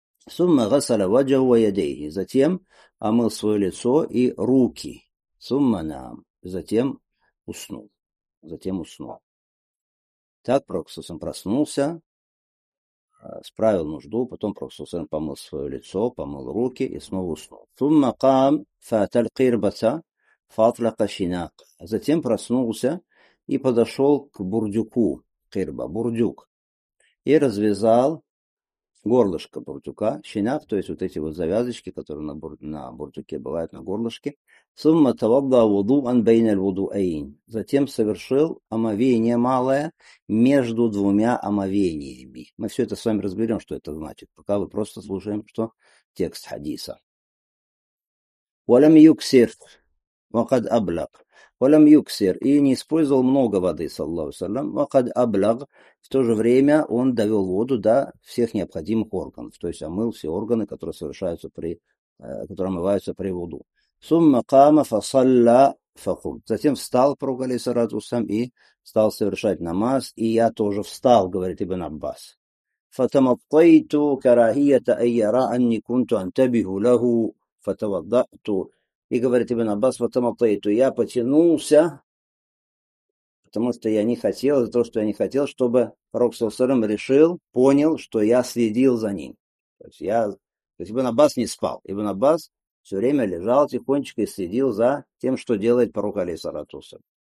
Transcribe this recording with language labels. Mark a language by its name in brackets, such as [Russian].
[Arabic] ثم غسل وجهه ويديه, [Russian] затем омыл свое лицо и руки. [Arabic] ثم نام, [Russian] затем уснул. Затем уснул. Так пророк [Arabic] صلى الله عليه وسلم [Russian] проснулся, справил нужду, потом пророк صلى الله عليه وسلم помыл свое лицо, помыл руки и снова уснул. [Arabic] ثم قام فأتى القربة فأطلق شناق. [Russian] Затем проснулся и подошел к бурдюку, кирба, бурдюк, и развязал горлышко бурдюка, шинак, то есть вот эти вот завязочки, которые на бурдюке бывают, на горлышке. [Arabic] ثم توضأ وضوءًا بين الوضوءين. [Russian] Затем совершил омовение малое между двумя омовениями. Мы все это с вами разберем, что это значит. Пока вы просто слушаем, что текст хадиса. [Arabic] ولم يكثر وقد أبلغ. ولم يكثر, [Russian] и не использовал много воды, саллаллаху алейхи ва саллям, [Arabic] وقد أبلغ, [Russian] в то же время он довел воду до всех необходимых органов, то есть омыл все органы, которые совершаются при, которые омываются при воду. [Arabic] ثم قام فصلى فقم. [Russian] Затем встал пророк алейхиссалату вассалям и стал совершать намаз, и я тоже встал, говорит ибн Аббас. [Arabic] فتمطيت كراهية أن يرى أني كنت أنتبه له فتوضأت. [Russian] И говорит ибн Аббас, [Arabic] فتمطيت, [Russian] я потянулся, потому что я не хотел, за то, что я не хотел, чтобы пророк саллаллаху алейхи вассалям решил, понял, что я следил за ним. То есть я, то есть ибн Аббас не спал. Ибн Аббас все время лежал тихонечко и следил за тем, что делает пророк алейхиссалату вассалям.